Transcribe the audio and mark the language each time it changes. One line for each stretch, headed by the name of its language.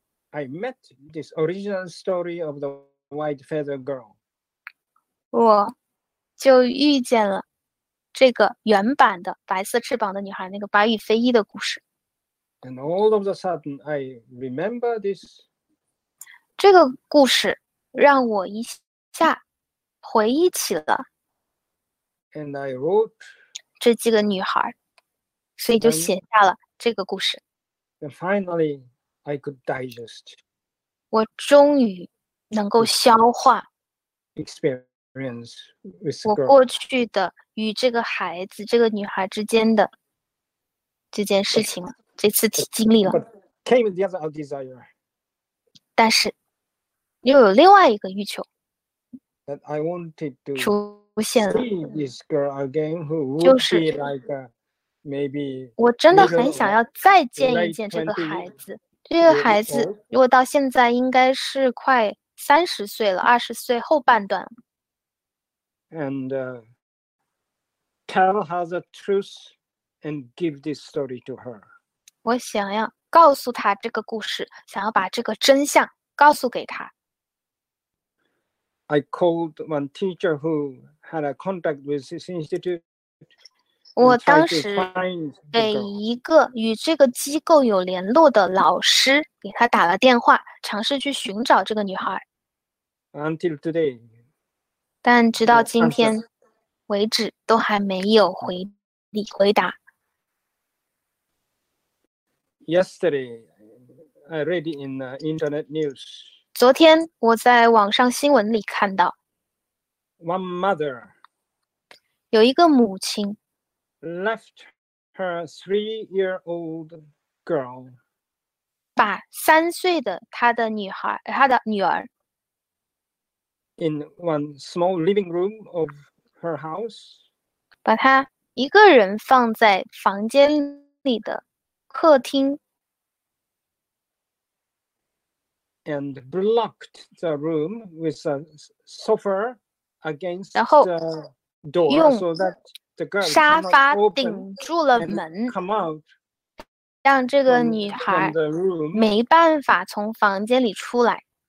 English: I met this original story of the white feather girl.
Chinese: 我就遇见了这个原版的白色翅膀的女孩，那个白羽飞翼的故事。
English: And all of a sudden, I remember this.
Chinese: 这个故事让我一下回忆起了。
English: And I wrote
Chinese: 这几个女孩，所以就写下了这个故事。
English: And finally. I could digest.
Chinese: 我终于能够消化
English: experience with
Chinese: 我过去的与这个孩子、这个女孩之间的这件事情了。这次经历了
English: came the other desire.
Chinese: 但是又有另外一个欲求
English: that I wanted to
Chinese: 出现了
English: see this girl again who would be like a, maybe
Chinese: 我真的很想要再见一见这个孩子。这个孩子如果到现在应该是快三十岁了，二十岁后半段。
English: And tell her the truth and give this story to her.
Chinese: 我想要告诉她这个故事，想要把这个真相告诉给她。
English: I called one teacher who had a contact with this institute.
Chinese: 我当时给一个与这个机构有联络的老师给他打了电话，尝试去寻找这个女孩。
English: Until today.
Chinese: 但直到今天为止都还没有回答。
English: Yesterday, I read in the internet news.
Chinese: 昨天我在网上新闻里看到。
English: One mother.
Chinese: 有一个母亲。
English: Left her three-year-old girl.
Chinese: 把三岁的她的女儿。
English: In one small living room of her house.
Chinese: 把她一个人放在房间里的客厅。
English: And blocked the room with a sofa against the door so that the girl cannot open and come out.
Chinese: 沙发顶住了门，让这个女孩没办法从房间里出来。